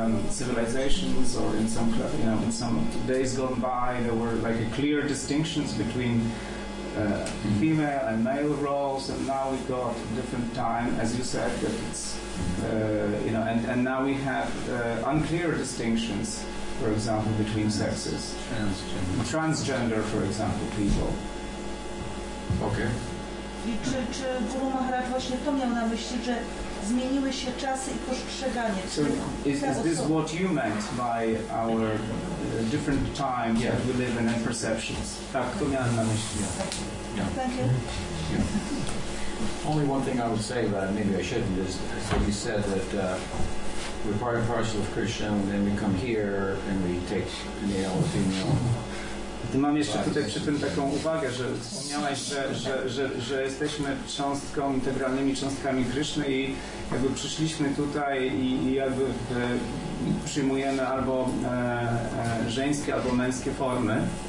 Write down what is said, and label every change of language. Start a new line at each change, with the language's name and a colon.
English: civilizations or in some, you know, in some days gone by, there were like a clear distinctions between female and male roles, and now we got a different time, as you said, that it's you know, and now we have unclear distinctions, for example, between sexes, transgender, for example, people. Okay.
Polish: I czy Guru Maharaj właśnie to miał na myśli, że zmieniły się czasy i postrzeganie?
English: So is this what you meant by our different times that we live in and perceptions?
Polish: Tak, to miałem na myśli.
English: Yeah. Thank you. Yeah. Only one thing I would say, but maybe I shouldn't, is that you said that we're part and parcel of Krishna, and then we come here and we take male or female.
Polish: Ty mam jeszcze tutaj przy tym taką uwagę, że wspomniałeś, że jesteśmy cząstką, integralnymi cząstkami Kryszny i jakby przyszliśmy tutaj i jakby przyjmujemy albo żeńskie, albo męskie formy.